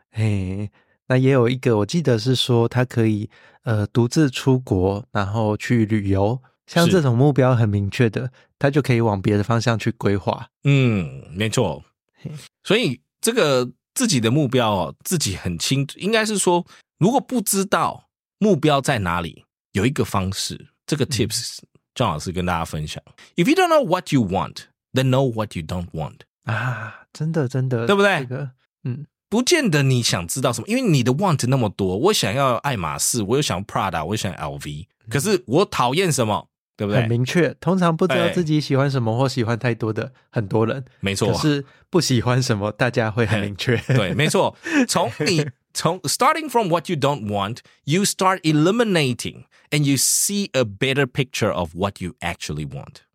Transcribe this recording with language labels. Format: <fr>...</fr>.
<zh>哎，那也有一个我记得是说他可以独自出国然后去旅游，像这种目标很明确的他就可以往别的方向去规划。嗯，没错。所以这个自己的目标自己很清楚，应该是说如果不知道目标在哪里，有一个方式，这个 tips 正好是跟大家分享。</zh> <en>If you don't know what you want, then know what you don't want.</en> <zh>啊，真的真的。对不对？这个不见得你想知道什么，因为你的 want 那么多，我想要爱马仕，我又想 Prada， 我又想 LV， 可是我讨厌什么，对不对？很明确，通常不知道自己喜欢什么或喜欢太多的很多人，没错，可是不喜欢什么大家会很明确。对，没错，从你从</zh> <en>starting from what you don't want， you start eliminating and you see a better picture of what you actually want。</en>